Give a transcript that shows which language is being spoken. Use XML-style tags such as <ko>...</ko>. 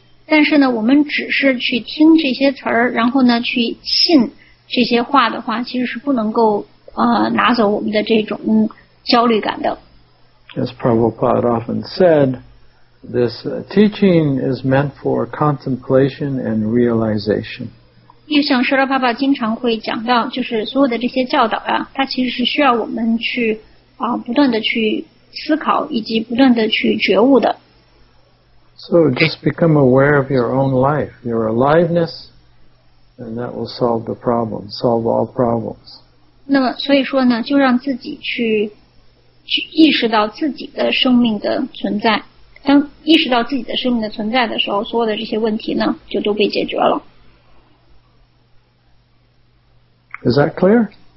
<zh>但是呢，我们只是去听这些词儿，然后呢，去信。这些话的话其实是不能够拿走我们的这种焦虑感的。</zh> <en>As Prabhupada often said, this teaching is meant for contemplation and realization.</en> <zh>又像舍勒帕帕经常会讲到就是所有的这些教导啊它其实是需要我们去不断的去思考以及不断的去觉悟的。</zh> <en>So just become aware of your own life, your aliveness,And that will solve the problem, solve all problems.</en> <zh>那么所以说呢，就让自己去意识到自己的生命的存在。当意识到自己的生命的存在的时候，所有的这些问题呢，就都被解决了。</zh> <en>Is that clear?</en>